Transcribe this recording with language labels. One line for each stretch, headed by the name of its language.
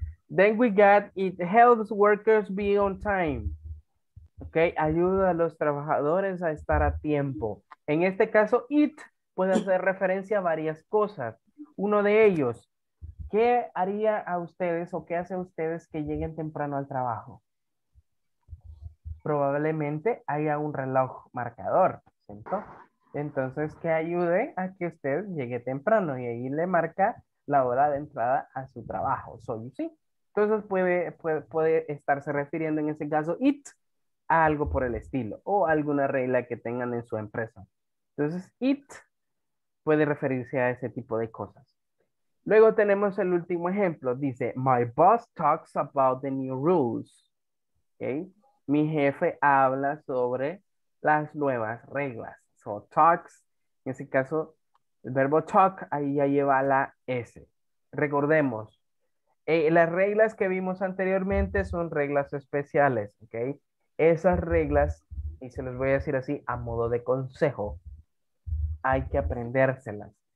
English: Then we got, it helps workers be on time.
Spanish: Okay, ayuda a los trabajadores a estar a tiempo. En este caso, it puede hacer referencia a varias cosas. Uno de ellos, ¿qué haría a ustedes o qué hace a ustedes que lleguen temprano al trabajo? Probablemente haya un reloj marcador, ¿cierto? Entonces, que ayude a que usted llegue temprano y ahí le marca la hora de entrada a su trabajo. So, ¿sí? Entonces, puede estarse refiriendo en ese caso it a algo por el estilo o alguna regla que tengan en su empresa. Entonces, it puede referirse a ese tipo de cosas. Luego tenemos el último ejemplo.
English: Dice, my boss talks about the new rules.
Spanish: ¿Okay? Mi jefe habla sobre las nuevas reglas. So, talks, en ese caso, el verbo talk, ahí ya lleva la S. Recordemos, las reglas que vimos anteriormente son reglas especiales. ¿Okay? Esas reglas, y se las voy a decir así, a modo de consejo, hay que aprendérselas.